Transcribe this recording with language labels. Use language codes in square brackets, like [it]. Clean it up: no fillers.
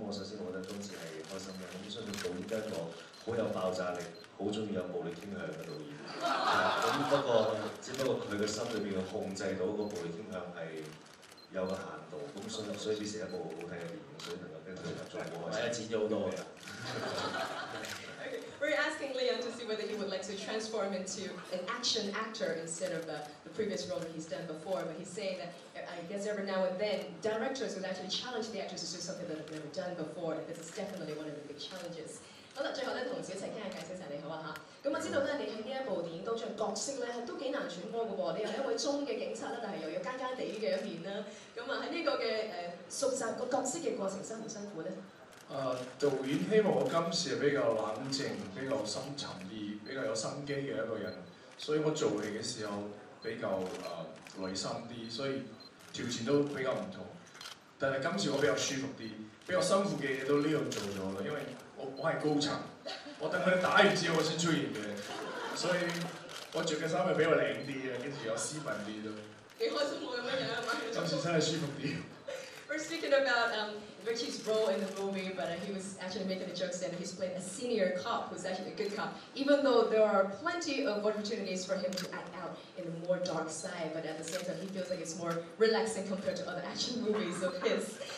[yue] 咁我首先我覺得當時係開心嘅，咁相信導演都一個好有爆炸力。好中意有暴力傾向嘅導演，咁不過只不過佢嘅心裏邊控制到個暴力傾向係有個限度，咁所以變成一部好好睇嘅電影，所以能夠跟佢合作，我係剪咗好多嘅。 [en] Okay, we're asking Leon to see whether he would like to transform into an action actor instead of the previous role he's done before, but he's saying that I guess every now and then directors would actually challenge the actors to do something that they've never done before. This is definitely one of the big challenges. [yue] 好啦，最後咧，同小齊傾下偈，小齊你好啊嚇。咁我知道咧，你喺呢一部電影當中角色咧，都幾難揣摩嘅喎。你又係一位忠嘅警察啦，但係又有奸奸地嘅一面啦。咁啊，喺呢個嘅熟習個角色嘅過程，辛唔辛苦咧？導演希望我今次係比較冷靜、比較深沉啲、比較有心機嘅一個人，所以我做戲嘅時候比較內心啲，所以條件都比較唔同。但係今次我比較舒服啲，比較辛苦嘅嘢都呢度做咗啦，因為。我是高層，我等佢打完之後我先出現嘅，所以我著嘅衫又比較靚啲啊，跟住又斯文啲都。幾開心喎咁樣樣，今次真係舒服啲。 [en] We're speaking about Richie's role in the movie, but he was actually making the jokes that he's playing a senior cop who's actually a good cop, even though there are plenty of opportunities for him to act out in a more dark side, but at the same time, he feels like it's more relaxing compared to other action movies of his.